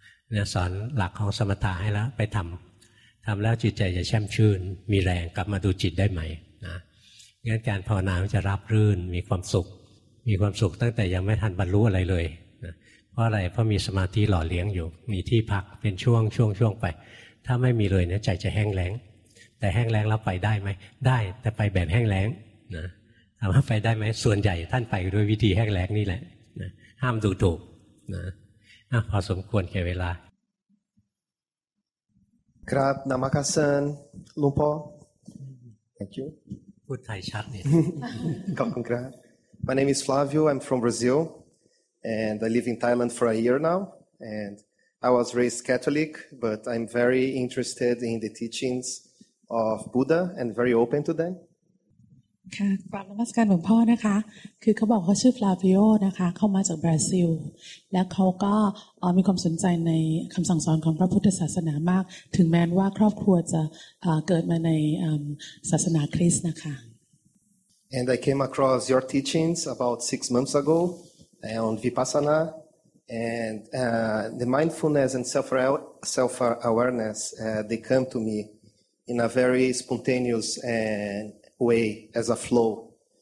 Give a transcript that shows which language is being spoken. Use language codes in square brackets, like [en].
[th] เนี่ยสอนหลักของสมถะให้แล้วไปทําแล้วจิตใจจะแช่มชื่นมีแรงกลับมาดูจิตได้ใหม่นะงั้นการภาวนาจะราบรื่นมีความสุขมีความสุขตั้งแต่ยังไม่ทันบรรลุอะไรเลยนะเพราะอะไรเพราะมีสมาธิหล่อเลี้ยงอยู่มีที่พักเป็นช่วงช่วงช่วงไปถ้าไม่มีเลยเนี่ยใจจะแห้งแล้งแต่แห้งแล้งแล้วไปได้ไหมได้แต่ไปแบบแห้งแล้งนะถามว่าไปได้ไหมส่วนใหญ่ท่านไปด้วยวิธีแห้งแล้งนี่แหละ ห้ามดูถูกนะพอสมควรแก่เวลา ครับนามาคัสเซนลุงพ่อ [en] thank you [th] พูดไทยชัดเนี่ย ขอบคุณครับ [en] my name is Flavio I'm from Brazil and I live in Thailand for a year now andI was raised Catholic, but I'm very interested in the teachings of Buddha and very open to them. [th] ค่ะ กราบนมัสการหลวงพ่อนะคะ คือเขาบอกเขาชื่อฟลาวิโอนะคะ เข้ามาจากบราซิลและเขาก็มีความสนใจในคำสั่งสอนของพระพุทธศาสนามากถึงแม้ว่าครอบครัวจะเกิดมาในศาสนาคริสต์นะคะ [en] And I came across your teachings about 6 months ago on Vipassana. And the mindfulness and self-awareness, they come to me in a very spontaneous way as a flow.